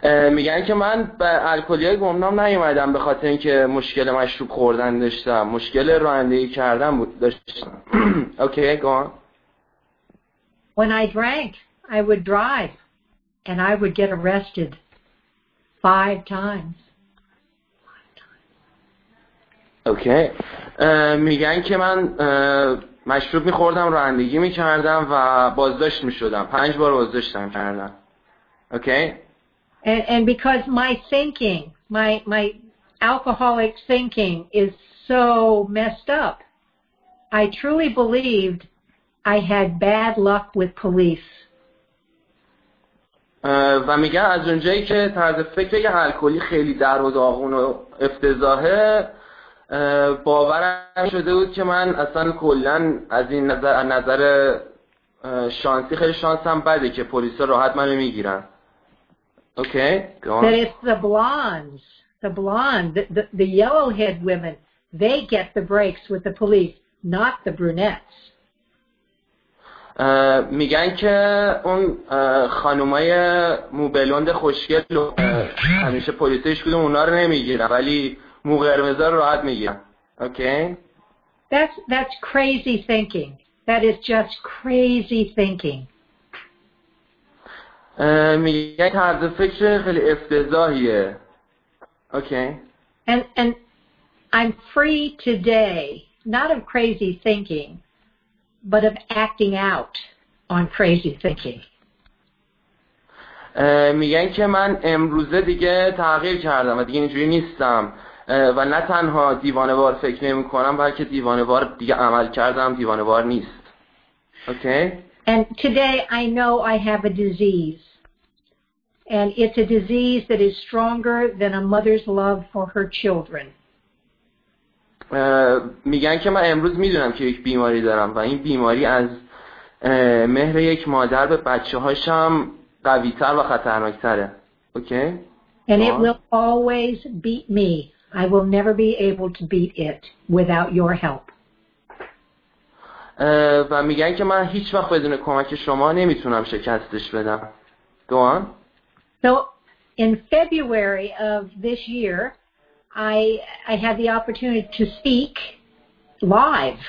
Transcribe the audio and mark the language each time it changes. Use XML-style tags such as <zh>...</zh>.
<fa>میگن که من به الکلی گمنام نیومدم به خاطر اینکه مشکل مشروب خوردن داشتم، مشکل رانندگی کردن بود داشتم.</fa> <en>Okay, go on. When I drank, I would drive and I would get arrested 5 times. Okay.</en> <fa>میگن که من مشروب می‌خوردم، رانندگی می‌کردم و بازداشت می‌شدم. 5 بار بازداشتم کردم. اوکی.</fa> <en>And because my thinking, my alcoholic thinking is so messed up, I truly believed I had bad luck with police.</en> <fa>و میگه از اونجایی که طرز فکر یه الکلی خیلی در و داغون و افتضاحه، باورم شده بود که من اصلا کلن از این نظر شانسی، خیلی شانسم بده که پلیس راحت منو میگیرن.</fa> <en>Okay, go on. That it's the blondes, the yellow-haired women, they get the breaks with the police, not the brunettes.</en> <fa>میگن که اون خانومای موبلوند خوشگل همیشه پلیسش بودن، اونا رو نمیگیرن، ولی مو قرمزا رو راحت میگیرن.</fa> <en>Okay? That's crazy thinking. That is just crazy thinking.</en> <fa>میگه طرز فکر خیلی افتضاحیه.</fa> <en>Okay. And I'm free today, not of crazy thinking, but of acting out on crazy thinking.</en> <fa>میگن که من امروزه دیگه تغییر کردم و دیگه اینجوری نیستم و نه تنها دیوانه وار فکر نمی‌کنم، بلکه دیوانه وار دیگه عمل کردم، دیوانه وار نیست.</fa> <en>Okay. And today I know I have a disease. And it's a disease that is stronger than a mother's love for her children.</en> <fa>میگن که من امروز میدونم که یک بیماری دارم و این بیماری از مهر یک مادر به بچه‌هاشم قوی‌تر و خطرناک‌تره.</fa> <en>Okay? And it will always beat me. I will never be able to beat it without your help.</en> <fa>و میگن که من هیچ وقت بدون کمک شما نمیتونم شکستش بدم.</fa> <en>Go on. So in February of this year, I had the opportunity to speak live.</en>